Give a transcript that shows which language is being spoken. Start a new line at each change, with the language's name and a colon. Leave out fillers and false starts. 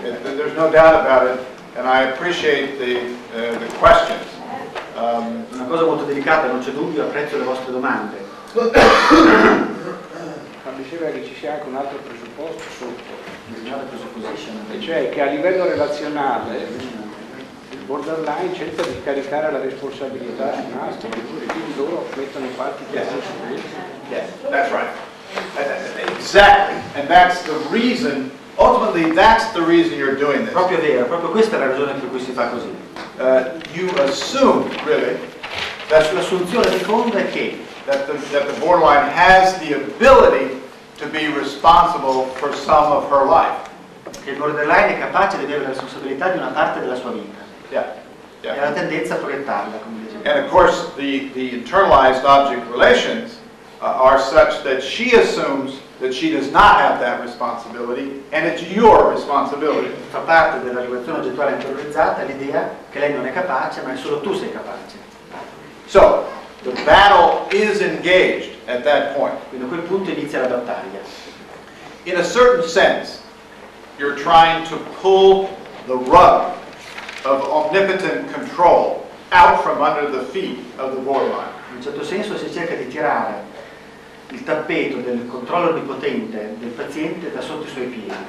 English: There's no doubt about it, and I appreciate the questions.
Italian: Una cosa molto delicata, non c'è dubbio, apprezzo le vostre domande. Ma mi sembra che ci sia anche un altro presupposto sotto, presupposizione, cioè che a livello relazionale il borderline cerca di caricare la responsabilità su un altro, quindi loro mettono in parte di essere
English: that's right. Exactly, and that's the reason. Ultimately, that's the reason you're doing this.
Italian: Proprio vero, proprio questa è la ragione per cui si fa così.
English: You assume, really, that
Italian: l'assunzione seconda è che
English: that the borderline has the ability to be responsible for some of her life.
Italian: Che il borderline è capace di avere la responsabilità di una parte della sua vita.
English: Yeah. Yeah.
Italian: E la tendenza a proiettarla, come dicevo.
English: And of course the internalized object relations are such that she assumes that she does not have that responsibility and it's your responsibility.
Italian: E fa parte della relazione oggettuale internalizzata l'idea che lei non è capace, ma è solo tu sei capace.
English: So the battle is engaged at that point.
Italian: Quindi a quel punto inizia la battaglia.
English: In a certain sense, you're trying to pull the rug of omnipotent control out from under the feet of the borderline.
Italian: In un certo senso si cerca di tirare il tappeto del controllo onnipotente del paziente da sotto i suoi piedi.